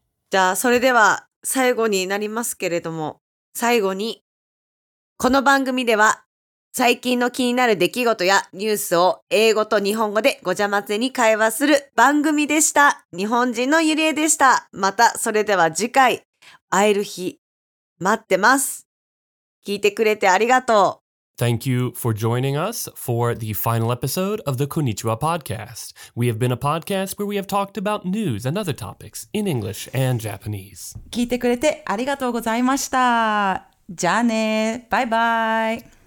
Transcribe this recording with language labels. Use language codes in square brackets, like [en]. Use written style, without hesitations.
[ja] じゃあそれでは最後になりますけれども、最後にこの番組では最近の気になる出来事やニュースを英語と日本語でごちゃ混ぜに会話する番組でした。日本人のゆりえでした。またそれでは次回会える日待ってます。聞いてくれてありがとう。 [en] Thank you for joining us for the final episode of the Konnichiwa podcast. We have been a podcast where we have talked about news and other topics in English and Japanese. [ja] 聞いてくれてありがとうございました。じゃあね。バイバイ。